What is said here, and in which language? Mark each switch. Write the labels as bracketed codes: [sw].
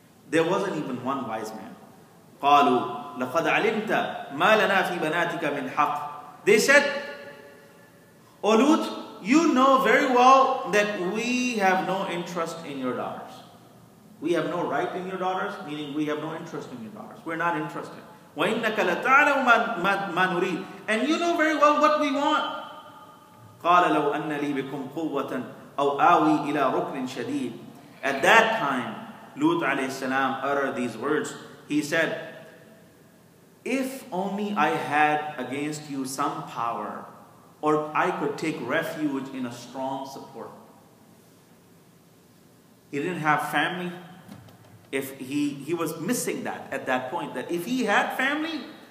[en] There wasn't even one wise man. [ar] قَالُوا لَقَدْ عَلِمْتَ مَا لَنَا فِي بَنَاتِكَ مِنْ حَقٍ [en] They said, O Lut, you know very well that we have no interest in your daughters. We have no right in your daughters, meaning we have no interest in your daughters. We're not interested. [ar] وَإِنَّكَ لَتَعْلَمُ مَا نُرِيدٍ [en] And you know very well what we want. [ar] قَالَ لَوْ أَنَّ لِي بِكُمْ قُوَّةً أَوْ آوِي إِلَىٰ رُكْنٍ شَدِيدٍ [en] At that time, Lut alayhi salam uttered these words. He said, If only I had against you some power, or I could take refuge in a strong support. He didn't have family. If he was missing that at that point, that if he had family,